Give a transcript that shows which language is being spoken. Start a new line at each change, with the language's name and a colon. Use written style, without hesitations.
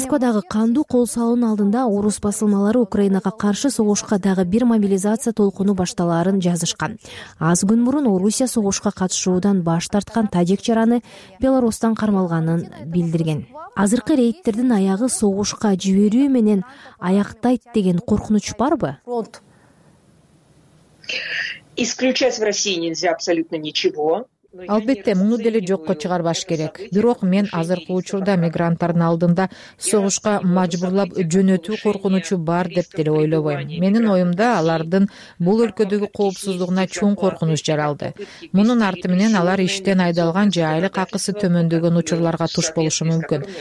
Kyrgyz: Москвадагы кандуу кол салуунун алдында орус басылмалары Украинага каршы согушка дагы бир мобилизация толкуну башталарын жазышкан. Аз күн мурун Орусия согушка катышуудан баш тарткан тажик жараны Белорусстан кармалганын билдирген. Азыркы рейдтердин аягы согушка жиберүү менен аяктайт деген коркунуч барбы?
Russian: Исключать в России нельзя абсолютно ничего.
Kyrgyz: Албетте, муну деле жокко чыгарбаш керек. Бирок мен азыркы учурда мигранттардын алдында согушка мажбурлап жөнөтүү коркунучу бар деп деле ойлобойм. Менин оюмда алардын бул өлкөдөгү коопсуздугуна чоң коркунуч жаралды. Мунун арты менен алар иштен айдалган же айлык акысы төмөндөгөн учурларга туш болушу мүмкүн.